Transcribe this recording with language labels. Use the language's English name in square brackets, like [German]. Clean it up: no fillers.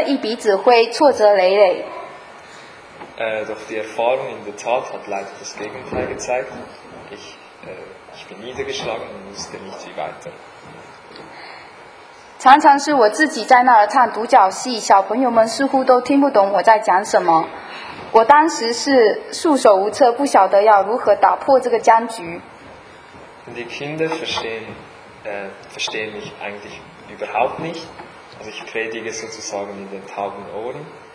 [Chinese] 而在实践中，我是碰了一鼻子灰，挫折累累。 [German] Doch die Erfahrung in der Tat hat leider das Gegenteil gezeigt. Ich bin niedergeschlagen und wusste nicht, wie weiter. [Chinese] 常常是我自己在那儿唱独角戏，小朋友们似乎都听不懂我在讲什么。我当时是束手无策，不晓得要如何打破这个僵局。 [German] Die Kinder verstehen mich eigentlich überhaupt nicht. Also ich predige sozusagen in den tauben Ohren.